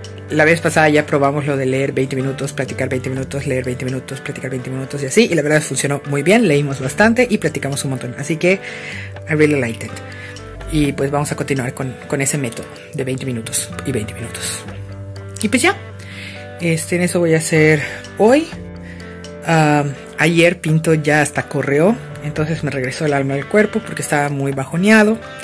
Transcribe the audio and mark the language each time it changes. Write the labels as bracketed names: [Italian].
[Spanish] La vez pasada ya probamos lo de leer 20 minutos, platicar 20 minutos, leer 20 minutos, platicar 20 minutos y así. Y la verdad funcionó muy bien, leímos bastante y platicamos un montón. Así que, [English] I really liked it. [Spanish] Y pues vamos a continuar con ese método de 20 minutos y 20 minutos. Y pues ya, en eso voy a hacer hoy. Ayer Pinto ya hasta corrió, entonces me regresó el alma al cuerpo porque estaba muy bajoneado.